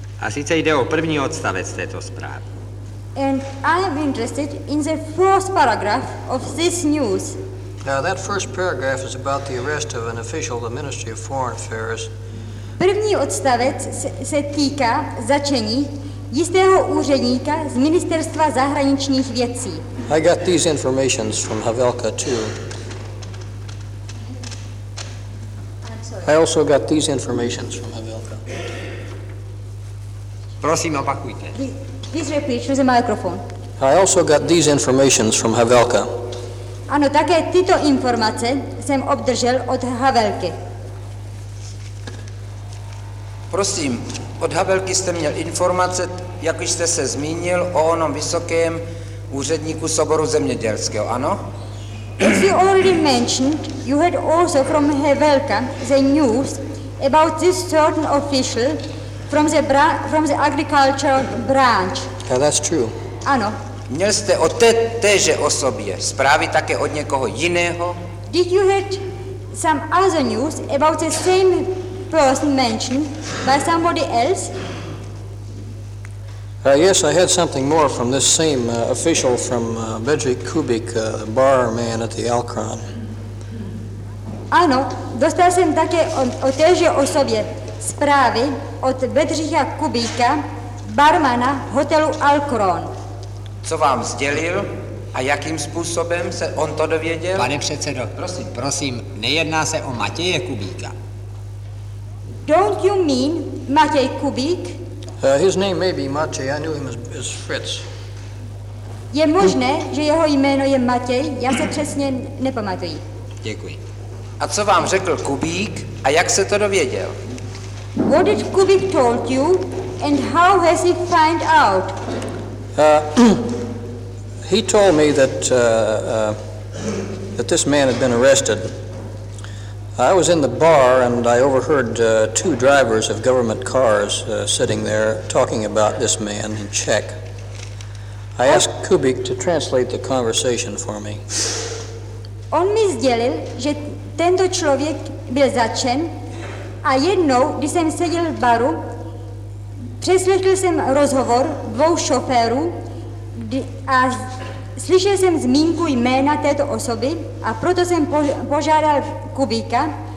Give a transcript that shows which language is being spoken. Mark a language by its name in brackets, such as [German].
[Czech] Sice jde o první odstavec této zprávy. [English] And I am interested in the first paragraph of this news. Now that first paragraph is about the arrest of an official of the Ministry of Foreign Affairs. [Czech] První odstavec se týká zatčení jistého úředníka z Ministerstva zahraničních věcí. [English] I got these informations from Havelka too. I also got these informations from Havelka. [Czech] Prosím, opakujte. [English] Please repeat through the microphone. I also got these informations from Havelka. [Czech] Ano, také tyto informace jsem obdržel od Havelky. Prosím, od Havelky jste měl informace, jak jste se zmínil, o onom vysokém úředníku soboru zemědělského, ano? [English] As you already mentioned, you had also from Havelka the news about this certain official from the agricultural branch. Yeah, that's true. [Czech] Ano. Měl jste o téže osobě zprávy také od někoho jiného? [English] Did you hear some other news about the same person mentioned by somebody else? Yes, I had something more from this same official from Bedřich Kubik, bar man at the Alcron. [Czech] Ano, dostal jsem také o téže osobě zprávy od Bedřicha Kubíka, barmana hotelu Alcron. Co vám sdělil a jakým způsobem se on to dověděl? Pane předsedo, prosím, prosím, nejedná se o Matěje Kubíka. [English] Don't you mean Matěj Kubík? His name may be Matěj, I knew him as Fritz. [Czech] Je možné, že jeho jméno je Matěj, já se přesně nepamatuji. Děkuji. A co vám řekl Kubík a jak se to dověděl? [English] What did Kubik told you, and how has he found out? He told me that that this man had been arrested. I was in the bar, and I overheard two drivers of government cars sitting there talking about this man in Czech. I asked Kubik to translate the conversation for me. [Czech] On mi sdělil, že tento člověk byl zatčen. A jednou, když jsem seděl v baru, přeslechl jsem rozhovor dvou šoférů a slyšel jsem zmínku jména této osoby a proto jsem požádal Kubíka,